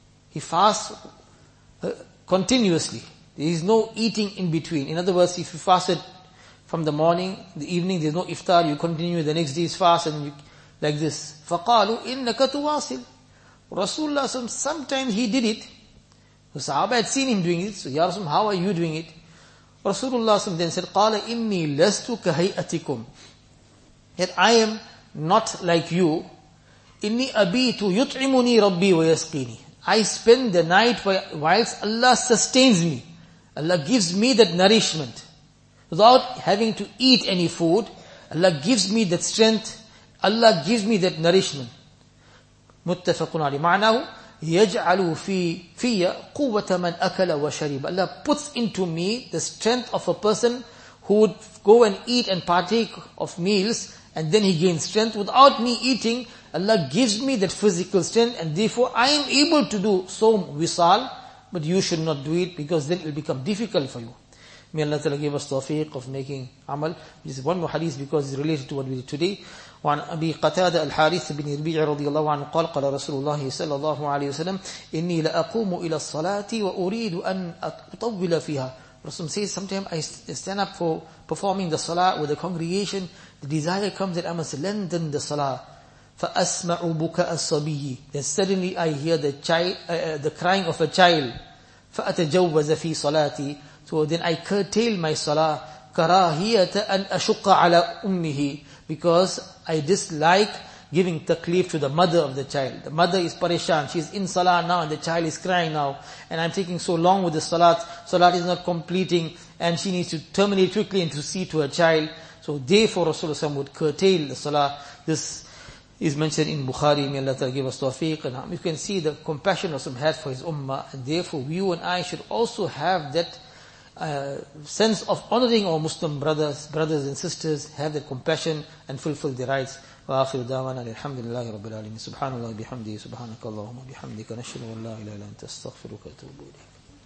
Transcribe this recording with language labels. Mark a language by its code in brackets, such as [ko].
[en] He fasts continuously. There is no eating in between. In other words, if you fasted from the morning, the evening, there's no iftar, you continue the next day's fast, and you, like this. [ar] فَقَالُوا إِنَّكَ تُوَاصِلْ. [en] Rasulullah said, sometimes he did it. The Sahaba had seen him doing it, so Ya Rasulullah, how are you doing it? Rasulullah then said, [ar] قَالَ إِنِّي لَسْتُ كَهَيْئَتِكُمْ. [en] Yet I am not like you. [ar] إِنِّي أَبِيتُ يُطْعِمُنِي رَبِّي وَيَسْقِينِي. [en] I spend the night whilst Allah sustains me. Allah gives me that nourishment. Without having to eat any food, Allah gives me that strength. Allah gives me that nourishment. [ar] مُتَّفَقٌ عَلِي مَعْنَاهُ يَجْعَلُ فِيَّ قُوَّةَ مَنْ أَكَلَ وَشَرِبَ. [en] Allah puts into me the strength of a person who would go and eat and partake of meals, and then he gains strength. Without me eating, Allah gives me that physical strength, and therefore I am able to do صوم وصال, but you should not do it because then it will become difficult for you. May Allah Ta'ala give us tawfiq of making amal. This is one more hadith because it's related to what we did today. [ar] وعن أبي قتادة الحارث بن ربيع رضي الله عنه قال قال رسول الله صلى الله عليه وسلم إني لأقوم إلى الصلاة وأريد أن أطول فيها. [en] Rasulullah says, sometimes I stand up for performing the salah with the congregation, the desire comes that I must lengthen the salah. [ar] فأسمع بكاء الصبي. [en] Then suddenly I hear the crying of a child. [ar] فأتجوز في صلاتي. [en] So then I curtail my salah. [ar] كراهية أن أشق على أمه. [en] Because I dislike giving takleef to the mother of the child. The mother is parishan. She is in salah now and the child is crying now. And I'm taking so long with the salat. Salat is not completing and she needs to terminate quickly and to see to her child. So therefore Rasulullah would curtail the salah. This is mentioned in Bukhari. May Allah Ta'ala give us tawfiq. And you can see the compassion Rasulullah had for his ummah. And therefore you and I should also have that sense of honoring our Muslim brothers and sisters, have the compassion and fulfill the rights. [ar] وآخر دعوانا الحمد لله رب العالمين سبحان الله بحمده سبحانك اللهم وبحمدك نشهد أن لا إله إلا أنت استغفرك وأتوب إليك.